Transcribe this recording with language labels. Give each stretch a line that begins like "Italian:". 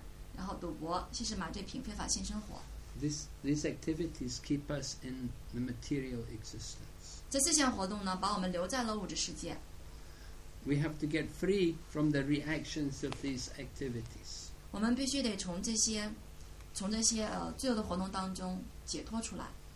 Chinese: 而这个罪恶活动所来自的这些不能够遵守的生活规则就是思想基本规范，吃鱼肉蛋，然后赌博，吸食麻醉品，非法性生活。
English: These activities keep us in the material existence.
Chinese: 这四项活动呢，把我们留在了物质世界。
English: We have to get free from the reactions of these activities.
Chinese: 我们必须得从这些罪恶的活动当中解脱出来。